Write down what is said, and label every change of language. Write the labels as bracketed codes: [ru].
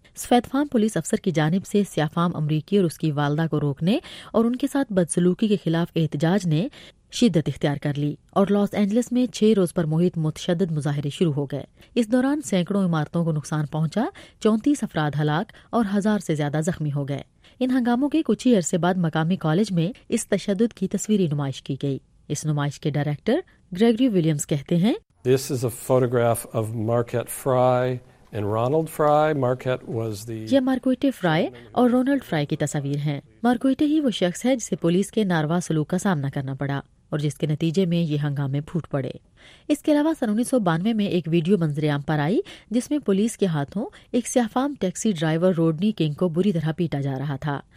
[ur] سفید فام پولیس افسر کی جانب سے سیاہ فام امریکی اور اس کی والدہ کو روکنے اور ان کے ساتھ بدسلوکی کے خلاف احتجاج نے شدت اختیار کر لی اور لاس اینجلس میں 6 روز پر محیط متشدد مظاہرے شروع ہو گئے. اس دوران سینکڑوں عمارتوں کو نقصان پہنچا، 34 افراد ہلاک اور 1000 سے زیادہ زخمی ہو گئے. ان ہنگاموں کے کچھ ہی عرصے بعد مقامی کالج میں اس تشدد کی تصویری نمائش کی گئی. اس نمائش کے ڈائریکٹر گریگری ویلیمز کہتے ہیں [en] This is a photograph of Marquette Frye and Ronald Frye. Marquette was the [ur] یہ مارکوئٹے فرائے اور رونلڈ فرائے کی تصاویر ہیں. مارکوئٹے ہی وہ شخص ہے جسے پولیس کے ناروا سلوک کا سامنا کرنا پڑا اور جس کے نتیجے میں یہ ہنگامے پھوٹ پڑے. اس کے علاوہ 1992 میں ایک ویڈیو منظر عام پر آئی جس میں پولیس کے ہاتھوں ایک سیاہ فام ٹیکسی ڈرائیور روڈنی کنگ کو بری طرح پیٹا جا رہا تھا.